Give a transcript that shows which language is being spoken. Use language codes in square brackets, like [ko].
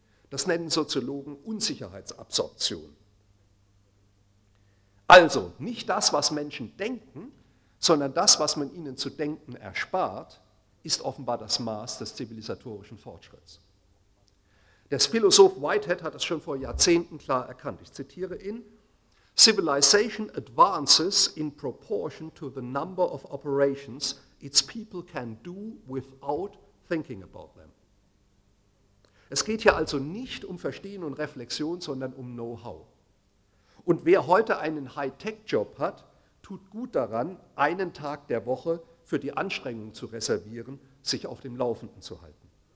[de] Das nennen Soziologen Unsicherheitsabsorption. Also, nicht das, was Menschen denken, sondern das, was man ihnen zu denken erspart, ist offenbar das Maß des zivilisatorischen Fortschritts. Der Philosoph Whitehead hat es schon vor Jahrzehnten klar erkannt. Ich zitiere ihn: [en] Civilization advances in proportion to the number of operations its people can do without thinking about them. [de] Es geht hier also nicht um Verstehen und Reflexion, sondern um Know-how. Und wer heute einen High-Tech-Job hat, tut gut daran, einen Tag der Woche für die Anstrengung zu reservieren, sich auf dem Laufenden zu halten.